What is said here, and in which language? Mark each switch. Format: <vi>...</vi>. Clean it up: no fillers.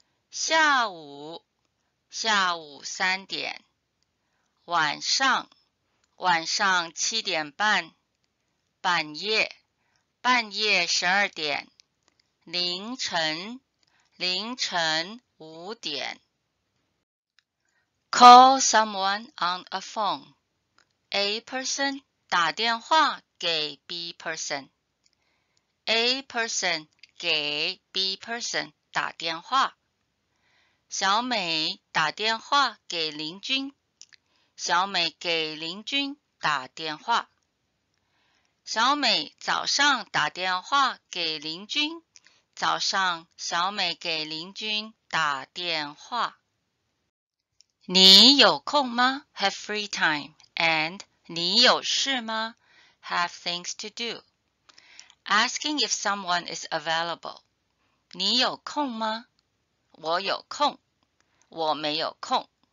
<zh>下午，下午3点。晚上，晚上7点半，半夜，半夜12点，凌晨，凌晨5点。</zh> <en>Call someone on a phone. A person</en> <zh>打电话给</zh> <en>B person. A person</en> <zh>给</zh> <en>B person</en> <zh>打电话。小美打电话给邻居。小美给邻居打电话。小美早上打电话给邻居。早上，小美给邻居打电话。你有空吗？</zh> <en>Have free time. And</en> <zh>你有事吗？</zh> <en>Have things to do. Asking if someone is available.</en> <zh>你有空吗？我有空。我没有空。</zh>